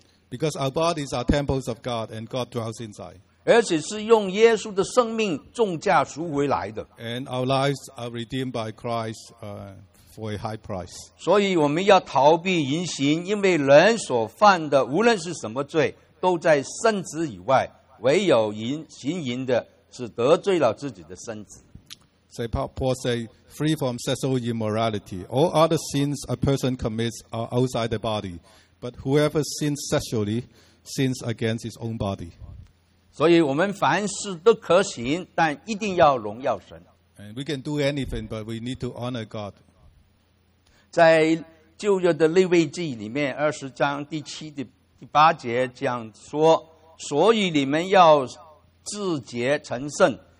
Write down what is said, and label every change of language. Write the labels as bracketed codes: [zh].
[en] Because our bodies are temples of God and God dwells inside. [zh] 而且是用耶稣的生命重价赎回来的。 [en] And our lives are redeemed by Christ for a high price. [zh] 所以我们要逃避淫行, 因为人所犯的, 无论是什么罪, 都在身子以外, 唯有行淫的是得罪了自己的身子。 [en] So Paul says, free from sexual immorality. All other sins a person commits are outside the body. But whoever sins sexually sins against his own body. [zh] 所以我们凡事都可行, 但一定要荣耀神。 [en] And we can do anything, but we need to honor God. [zh] 在旧约的利未记里面20章第7-8节这样说, 所以你们要自洁成圣。